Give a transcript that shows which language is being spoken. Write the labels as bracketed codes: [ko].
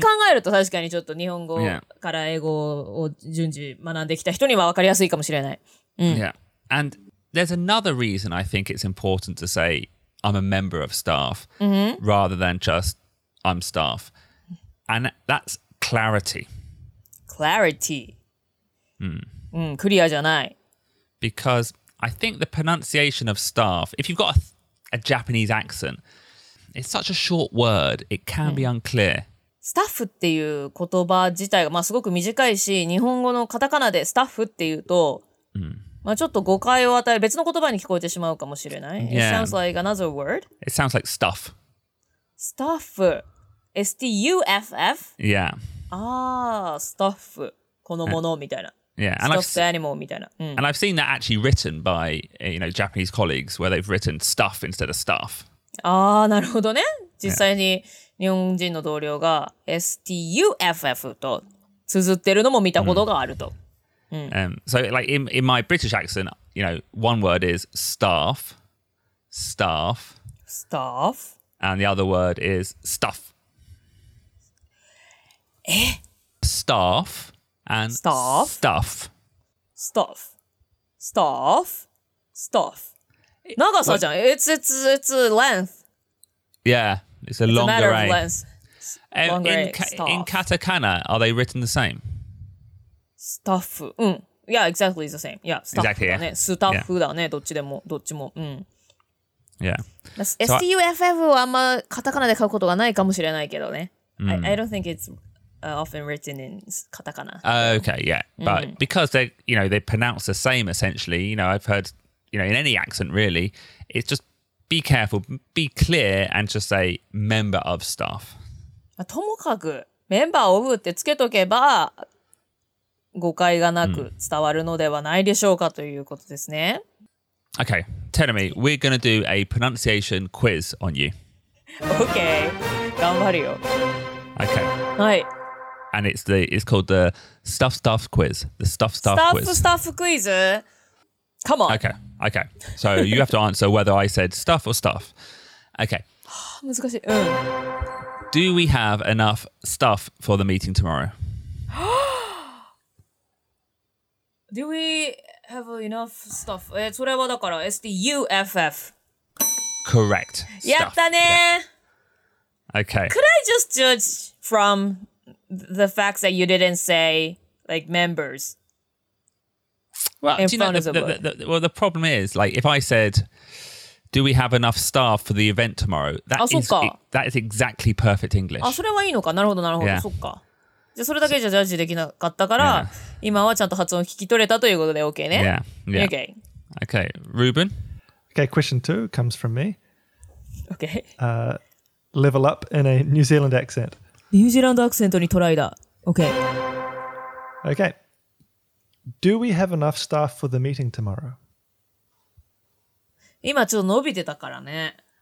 [ja] 考えると確かにちょっと日本語から英語を順次学んできた人には分かりやすいかもしれない。 [en] Yeah. And there's another reason I think it's important to say I'm a member of staff rather than just I'm staff. And that's clarity. Clarity. [ja] クリアじゃない。 [en] Because I think the pronunciation of staff, if you've got a Japanese accent, it's such a short word, it can be unclear. [ja] Staff っていう言葉自体が、まあ、すごく短いし、日本語のカタカナでスタッフっていうと、まあ、ちょっと誤解を与え、別の言葉に聞こえてしまうかもしれない。 [en] Yeah. It sounds like another word. It sounds like stuff. Staff. S-T-U-F-F? Yeah. [ja] あー、staff. このものみたいな。 [en] Yeah, and stuffed animal [ja] みたいな。 [en] And I've seen that actually written by, you know, Japanese colleagues where they've written stuff instead of staff. [ja] ああ、なるほどね。実際に日本人の同僚が STUFF と綴ってるのも見たことがあると。 [en] So like in my British accent, you know, one word is staff, staff, staff, and the other word is stuff. [ja] え? [en] Staff. And stuff. Stuff. Stuff. Stuff. Stuff. [ja] 長さじゃん。 [en] It's length. Yeah, it's a longer A. It's a matter of length. In katakana, are they written the same? Stuff. Yeah, exactly, it's the same. Yeah, stuff. Exactly, yeah. [ja] Stuff だね、どっちでも、どっちも。 [en] Yeah. [ja] S-T-U-F-F はあんまカタカナで書くことがないかもしれないけどね。 [en] I don't think it's... often written in katakana. Okay, yeah. But because they, you know, they pronounce the same essentially, you know, I've heard, you know, in any accent really, it's just be careful, be clear, and just say member of staff. [ja] ともかく、member of ってつけとけば、誤解がなく伝わるのではないでしょうかということですね。 [en] Okay, Terumi, we're going to do a pronunciation quiz on you. Okay, [ja] 頑張るよ。 [en] Okay. [ja] はい。 [en] And it's called the Stuff Stuff Quiz. The Stuff Stuff, stuff Quiz. Stuff Stuff Quiz. Come on. Okay. Okay. So you have to answer whether I said stuff or stuff. Okay. [ja] 難しい。 [en] Do we have enough stuff for the meeting tomorrow? Do we have enough stuff? [ja] それはだから [en] S-T-U-F-F. Correct. [ja] やったね。 [en] Okay. Could I just judge from... The fact that you didn't say like members. Well, in front of the problem is like if I said, "Do we have enough staff for the event tomorrow?" That is exactly perfect English. [ja] Ah, それはいいのか。なるほど、なるほど。そっか。じゃそれだけじゃジャッジできなかったから、 [en] yeah. [ja] 今はちゃんと発音聞き取れたということで OK ね。 [en] Yeah. Yeah. Okay. Okay. Ruben? Okay, question two comes from me. Okay. Level up in a New Zealand accent. New Zealand accent [ja] にトライだ。 [en] Okay. Okay. Do we have enough staff for the meeting tomorrow? [ja] 今ちょっと伸びてたからね。